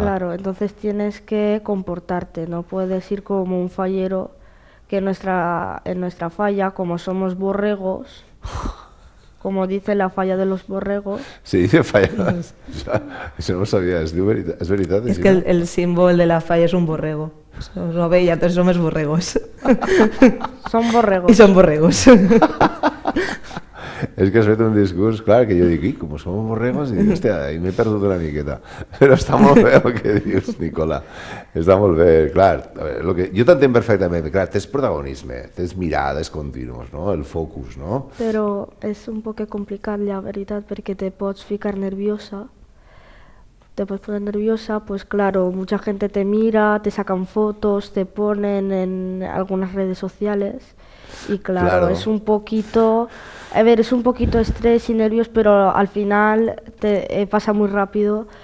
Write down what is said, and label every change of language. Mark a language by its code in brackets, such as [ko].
[es] Claro, entonces tienes que comportarte, no puedes ir como un fallero que en nuestra falla, como somos borregos, como dice la falla de los borregos. Se dice falla. Eso no lo sabía, es verdad. Es que el símbolo de la falla es un borrego. Es una bella, entonces somos borregos. Son borregos. Y son borregos. [ca] És que has fet un discurs, clar, que jo dic, i com som borregos, i hòstia, i m'he perdut una miqueta. Però està molt bé el que dius, Nicola. Està molt bé, clar. A veure, el que, jo t'entenc perfectament, clar, tens protagonisme, tens mirades contínues, no? El focus, no? Però és un poc complicat, la veritat, perquè te pots ficar nerviosa. [es] Te puedes poner nerviosa, pues claro, mucha gente te mira, te sacan fotos, te ponen en algunas redes sociales y claro, claro. Es un poquito, a ver, es un poquito estrés y nervios, pero al final te pasa muy rápido.